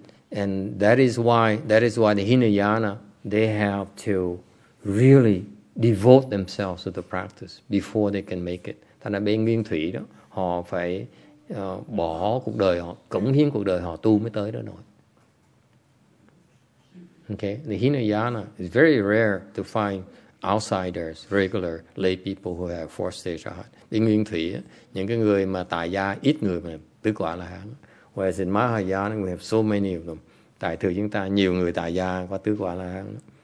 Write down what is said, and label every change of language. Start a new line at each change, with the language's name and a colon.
English: And that is why the Hinayana, they have to really devote themselves to the practice before they can make it.
Vietnamese: Thành ra bên Nguyên Thủy đó, họ phải bỏ cuộc đời họ, cống hiến cuộc đời họ tu mới tới đó nổi.
English: Okay, the Hinayana is very rare to find outsiders, regular lay people who have four stage arhat.
Vietnamese: Bên Nguyên Thủy, những cái người mà tại gia ít người mà tứ quả là hán.
English: Whereas in Mahayana, we have so many of them.
Vietnamese: Tại thừa chúng ta nhiều người tại gia có tứ quả là hán.